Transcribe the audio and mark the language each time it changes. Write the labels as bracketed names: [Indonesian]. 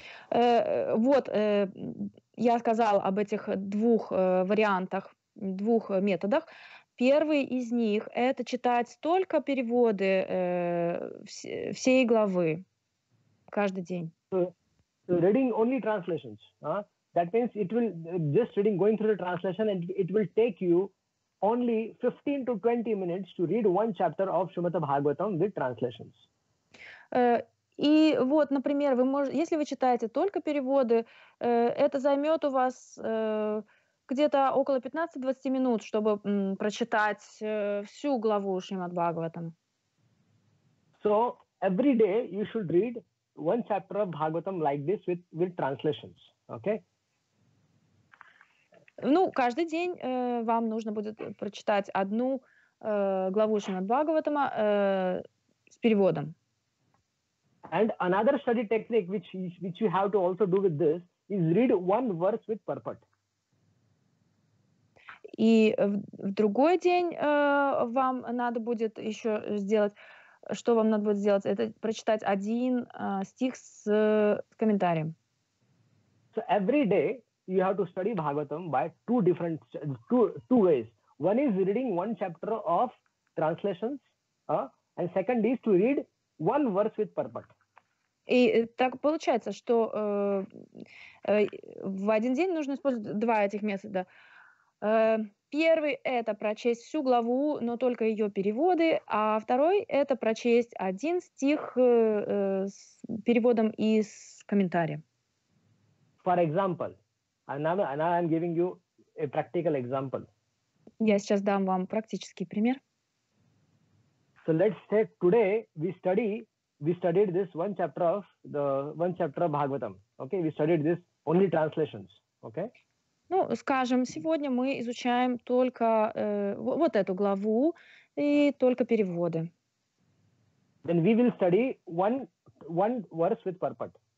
[Russian] Вот, я сказал об этих двух вариантах, двух методах. Первый из них — это читать только переводы всей главы каждый день. [English] So reading only translations. That means it will, just reading, going through the translation, and it will take you only 15 to 20 minutes to read one chapter of Shrimad Bhagavatam with translations. [Russian] И вот, например, вы можете, если вы читаете только переводы, это займет у вас где-то около 15-20 минут, чтобы прочитать всю главу Шримад Бхагаватам. [English] So every day you should read one chapter of Bhagavatam like this with translations, okay? [Russian] Ну, каждый день вам нужно будет прочитать одну главу Шримад Бхагаватама с переводом. [English] And another study technique which you have to also do with this is read one verse with purport. [Russian] И в другой день вам надо будет еще сделать, что вам надо будет сделать, это прочитать один стих с комментарием. [English] So every day you have to study Bhagavatam by two ways. One is reading one chapter of translations, and second is to read one verse with purport. [Russian] И так получается, что в один день нужно использовать два этих метода. Первый — это прочесть всю главу, но только ее переводы, а второй — это прочесть один стих с переводом и с комментарием. [English] For example, now I'm giving you a practical example. [Russian] Я сейчас дам вам практический пример. [English] So let's say today we studied this one chapter of Bhagavatam. Okay, we studied this only translations. Okay. [Russian] Ну, скажем, сегодня мы изучаем только вот эту главу и только переводы. [English] Then we will study one verse with purport.